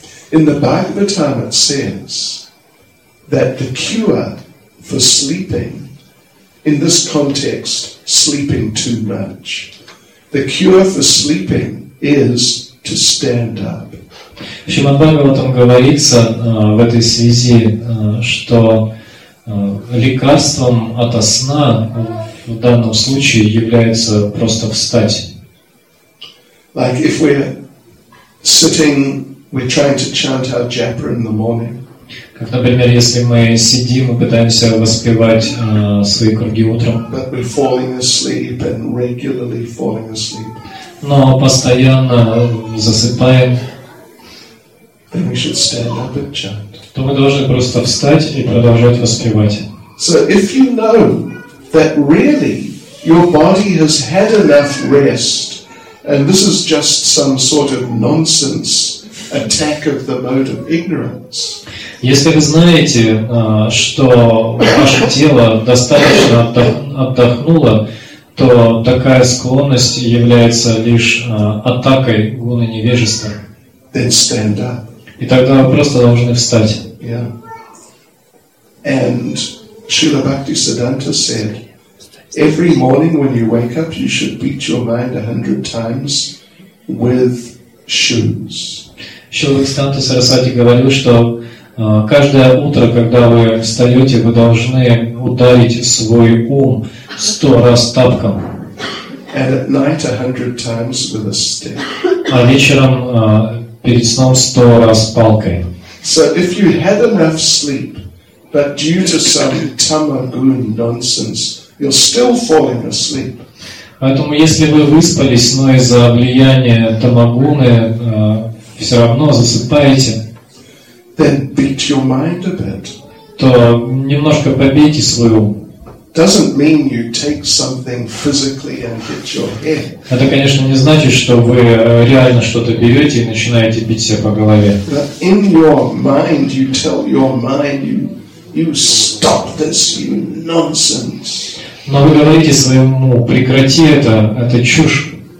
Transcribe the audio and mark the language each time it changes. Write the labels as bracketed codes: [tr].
[en] In the Bhagavatam it says that the cure for sleeping, in this context, sleeping too much, the cure for sleeping is to stand up. [ru] В Шримад Бхагаватам говорится в этой связи, что лекарством ото сна в данном случае является просто встать. [en] Like if we're sitting, we're trying to chant our japa in the morning. [ru] Как, например, если мы сидим и пытаемся воспевать свои круги утром. [en] But we're falling asleep and regularly falling asleep. [ru] Но постоянно засыпаем. [en] Then we should stand up and chant. [ru] То мы должны просто встать и продолжать воспевать. [en] So if you know that really your body has had enough rest and this is just some sort of nonsense attack of the mode of ignorance. [ru] Если вы знаете, что ваше тело достаточно отдохнуло, то такая склонность является лишь атакой гуны невежества. [en] Then stand up. [ru] И тогда вы просто должны встать. [en] Yeah. And Srila Bhakti Siddhanta said, Every morning when you wake up, you should beat your mind 100 times with shoes. [ru] Человек Санта Сарасвати говорил, что каждое утро, когда вы встаете, вы должны ударить свой ум 100 раз тапком. [en] And at night 100 times with a stick. [ru] А вечером перед сном 100 раз палкой. [en] So if you had enough sleep, but due to some tamagun nonsense, you're still falling asleep. [ru] Поэтому если вы выспались, но из-за влияния тамагуны все равно засыпаете, [en] then beat your mind a bit. [ru] То немножко побейте свой ум. [en] Doesn't mean you take something physically and hit your head. [ru] Это, конечно, не значит, что вы реально что-то берете и начинаете бить себя по голове. [en] But in your mind, you tell your mind, you stop this, you nonsense. [ru] Но вы говорите своему: прекрати это чушь.